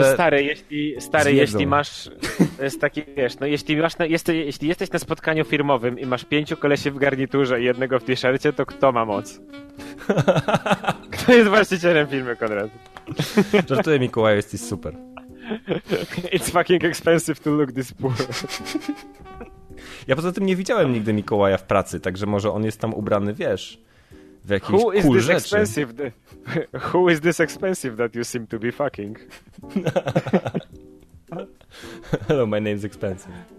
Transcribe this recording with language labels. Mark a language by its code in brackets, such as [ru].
[pl] No stary, jeśli masz... To jest taki, wiesz, no jeśli jesteś na spotkaniu firmowym i masz 5 kolesi w garniturze i jednego w t-shircie, to kto ma moc? Kto jest właścicielem firmy, Konrad? Żartuję, Mikołaj, jesteś super. [en] It's fucking expensive to look this poor. [pl] Ja poza tym nie widziałem nigdy Mikołaja w pracy, także może on jest tam ubrany, wiesz, w jakiejś cool rzeczy. [en] Who is this expensive that you seem to be fucking? Hello, my name's expensive.